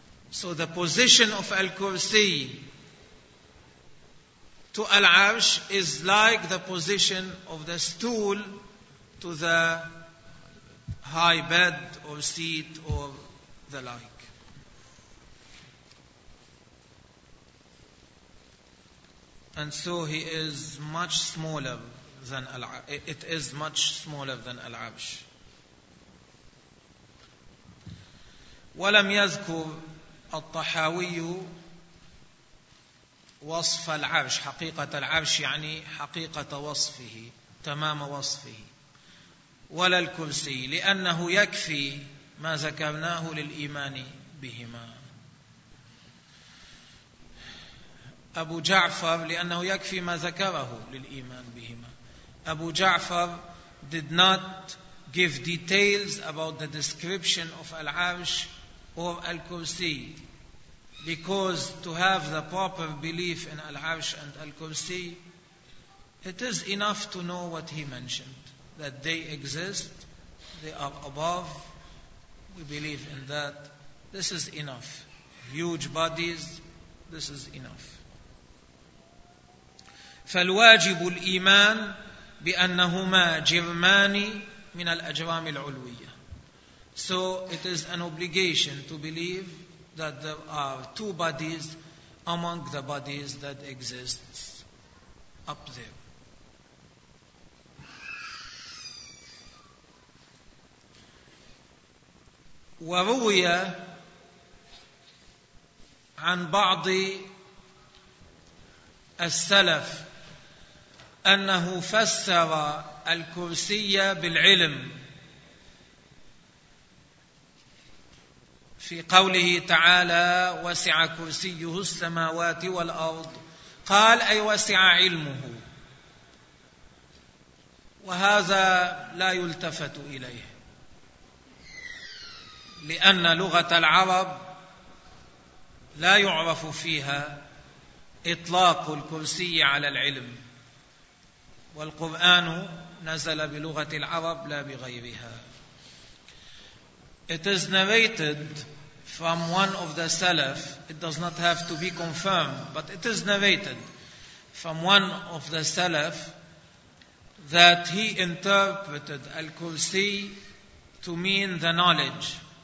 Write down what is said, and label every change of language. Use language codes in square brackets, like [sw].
[en] So the position of Al-Kursi to Al-Arsh is like the position of the stool to the high bed or seat or the like. And so he is much smaller than Al-Arsh. It is much smaller than Al-Arsh. [ar] وَلَمْ يَذْكُرْ الطَّحَاوِيُّ وصف العرش، حقيقة العرش يعني حقيقة وصفه، تمام وصفه، ولا الكرسي، لأنه يكفي ما ذكرناه للإيمان بهما. أبو جعفر لأنه يكفي ما ذكره للإيمان بهما. [en] أبو جعفر did not give details about the description of العرش or الكرسي. Because to have the proper belief in Al-Arsh and Al-Kursi, it is enough to know what he mentioned, that they exist, they are above, we believe in that. This is enough. Huge bodies, this is enough. [ar] فالواجب الإيمان بأنهما جرمان من الأجرام العلوية. [en] So it is an obligation to believe that there are two bodies among the bodies that exist up there. [ar] وروي عن بعض السلف أنه فسر الكرسي بالعلم في قوله تعالى وسع كرسيه السماوات والأرض، قال أي وسع علمه، وهذا لا يلتفت إليه لأن لغة العرب لا يعرف فيها إطلاق الكرسي على العلم، والقرآن نزل بلغة العرب لا بغيرها. [en] It is narrated from one of the Salaf, it does not have to be confirmed, but it is narrated from one of the Salaf that he interpreted Al-Kursi to mean the knowledge.